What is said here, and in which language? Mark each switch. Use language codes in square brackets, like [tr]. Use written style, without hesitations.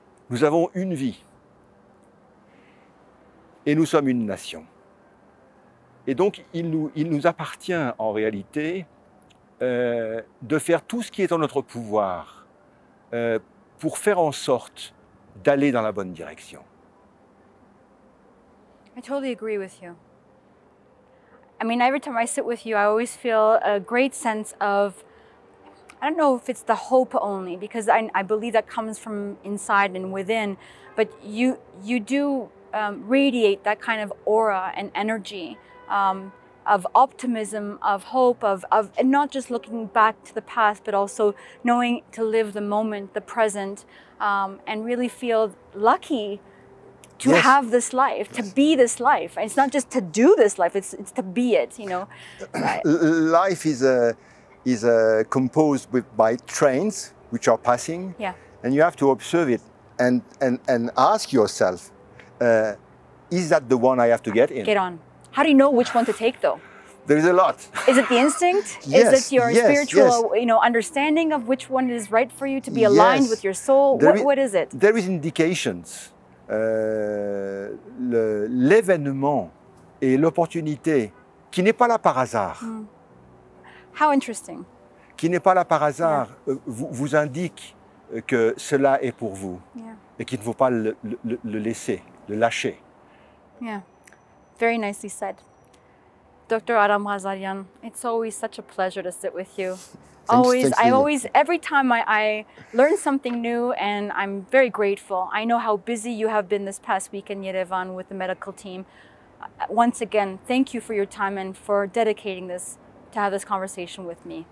[fr] Nous avons une vie et nous sommes une nation. Et donc, il nous appartient en réalité de faire tout ce qui est en notre pouvoir pour faire en sorte d'aller dans la bonne direction. [en] I totally agree with you. I mean, every time I sit with you, I always feel a great sense of, I don't know if it's the hope only, because I believe that comes from inside and within, but you do radiate that kind of aura and energy of optimism, of hope, of and not just looking back to the past, but also knowing to live the moment, the present, and really feel lucky to yes. have this life, yes. to be this life. And it's not just to do this life, it's to be it, you know. Life is a... is composed by trains which are passing, yeah. and you have to observe it and ask yourself, is that the one I have to get in? Get on. How do you know which one to take, though? There is a lot. Is it the instinct? Yes. Is it your yes. spiritual, yes. you know, understanding of which one is right for you to be aligned yes. with your soul? What is it? There is indications. [fr] L'événement et l'opportunité qui n'est pas là par hasard. [en] Mm. How interesting. [fr] Qui n'est pas là par hasard yeah. vous indique que cela est pour vous [en] yeah. [fr] et qu'il ne faut pas le laisser, le lâcher. [en] Yeah, very nicely said. Dr. Aram Razalian, it's always such a pleasure to sit with you. Every time I learn something new, and I'm very grateful. I know how busy you have been this past week in Yerevan with the medical team. Once again, thank you for your time and for dedicating this to have this conversation with me.